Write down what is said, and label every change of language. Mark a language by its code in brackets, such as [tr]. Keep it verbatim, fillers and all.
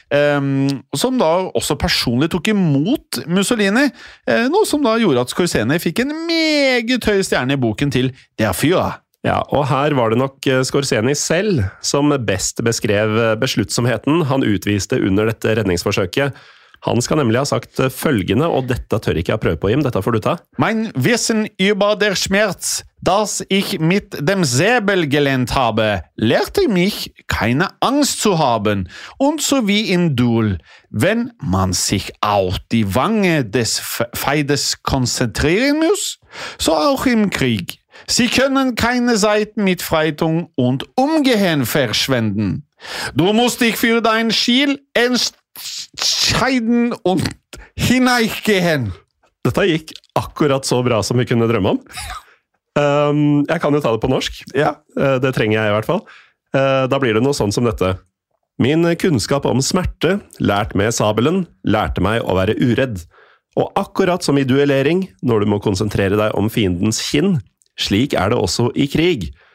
[no] Ehm, som da også personlig tok imot Mussolini, eh, noe som da gjorde at Scorseni fikk en meget høy stjerne i boken til Der Führer. Ja, og her var det nok eh, Scorseni selv som best beskrev eh, besluttsomheten han utviste under dette redningsforsøket. Han skal nemlig ha sagt eh, følgende, og dette tør ikke jeg prøve på, Jim, dette får du ta. [de] Mein Wissen über der Schmerz, das ich mit dem Säbel gelernt habe, lehrte mich, keine Angst zu haben. Und so wie im Duel, wenn man sich auf die Wange des Fe- Feindes konzentrieren muss, so auch im Krieg. Sie können keine Zeit mit Freitung und Umgehen verschwenden. Du musst dich für dein Ziel entscheiden und hineingehen. [no] Dette gikk akkurat så bra som vi kunne drømme om. Um, jeg kan jo ta det på norsk. Ja. Eh, Det trenger jeg i hvert fall. Eh, Da blir det noe sånn som dette. Min kunnskap om smerte, lært med sabelen, lærte meg å være uredd. Og akkurat som i duellering, når du må konsentrere deg om fiendens kinn, slik er det også i krig.